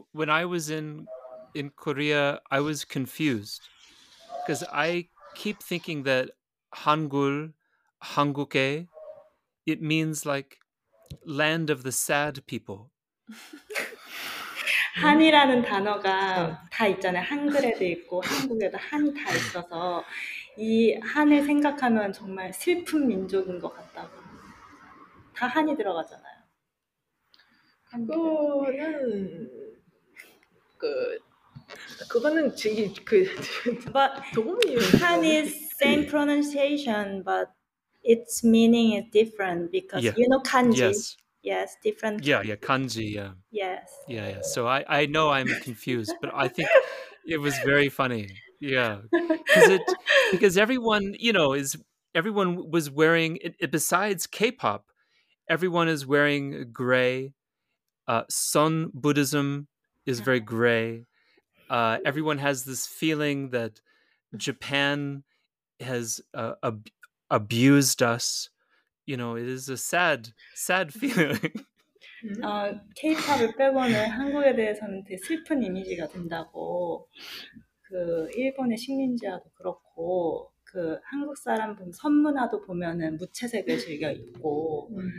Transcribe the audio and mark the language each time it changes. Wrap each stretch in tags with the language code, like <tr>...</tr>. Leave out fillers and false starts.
<en>When I was in Korea, I was confused. Because I keep thinking that Hangul, Hanguke, it means like land of the sad people.</en> <ko>한이라는 단어가 다 있잖아요. 한글에도 있고 한국에도 한이 다 있어서 이 한을 생각하면 정말 슬픈 민족인 것 같다고. 다 한이 들어가잖아요. 그거는 그거는 저기 그 도움이요.</ko> <en>한 is same pronunciation, but its meaning is different because yeah. you know kanji. Yes. Yes, different. Yeah, yeah, kanji, yeah. Yes. Yeah, yeah. So I know I'm confused, but I think it was very funny. Yeah. Because everyone, you know, everyone was wearing, besides K-pop, everyone is wearing gray. Sun Buddhism is very gray. Everyone has this feeling that Japan has abused us. You know, it is a sad, sad feeling.</en> <ko>K-pop을 빼고는 한국에 대해서는 되게 슬픈 이미지가 된다고. 그 일본의 식민지화도 그렇고 그 한국 사람 보면 선문화도 보면은 무채색을 즐겨 입고</ko>